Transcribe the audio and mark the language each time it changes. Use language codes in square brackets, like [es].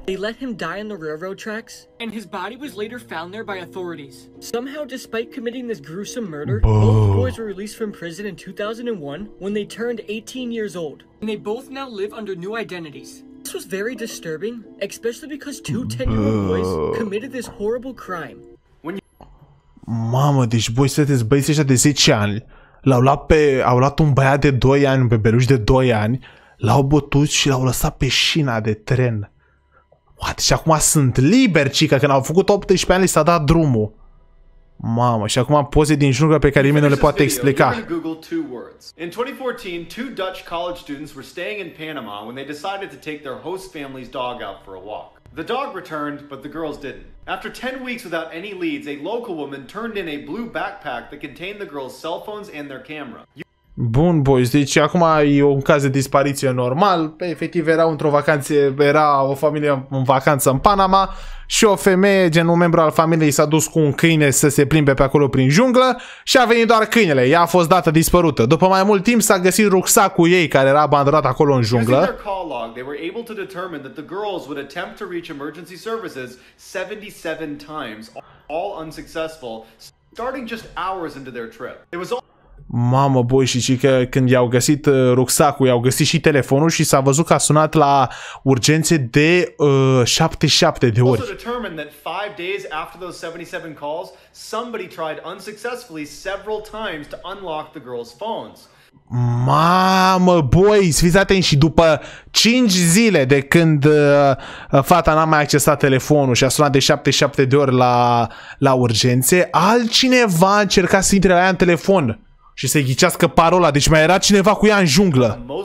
[en] They let him die on the railroad tracks and his body was later found there by authorities. Somehow despite committing this gruesome murder, both boys were released from prison in 2001 when they turned 18 years old. And they both now live under new identities. This was very disturbing, especially because two 10-year-old boys committed this horrible crime. [ro] Mamă, deci boi, sunteți băieți ăștia de 10 ani. L-au luat pe, au luat un băiat de 2 ani, un bebeluș de 2 ani. L-au bătut și l-au lăsat pe șina de tren. [en] What? [ro] Și acum sunt liberi, cică, când au făcut 18 ani, li s-a dat drumul. Mamă, și acum poze din jungla pe care nimeni nu le poate explica. [en] In 2014, two Dutch college students were staying in Panama when they decided to take their host family's dog out for a walk. The dog returned, but the girls didn't. After 10 weeks without any leads, a local woman turned in a blue backpack that contained the girls' cell phones and their camera. [ro] Bun, boys, deci acum e un caz de dispariție normal, pe efectiv era într-o vacanță, era o familie în vacanță în Panama și o femeie, gen un membru al familiei, s-a dus cu un câine să se plimbe pe acolo prin junglă și a venit doar câinele, ea a fost dată dispărută. După mai mult timp s-a găsit rucsacul ei care era abandonat acolo în junglă. [en] Using their call log, they were able to determine that the girls would attempt to reach emergency services 77 times, all unsuccessful, starting just hours into their trip. It was all... [ro] Mamă, boi, și zic că când i-au găsit rucsacul, i-au găsit și telefonul și s-a văzut că a sunat la urgențe de 77 de ori. [en] Also determined that 5 days after those 77 calls, somebody tried unsuccessfully several times to unlock the girls' phones. [ro] Mamă, boi, fiți atenți, și după 5 zile de când fata n-a mai accesat telefonul și a sunat de 77 de ori la urgențe, altcineva a încercat să intre la ea în telefon. Și să-i ghicească parola, deci mai era cineva cu ea în junglă.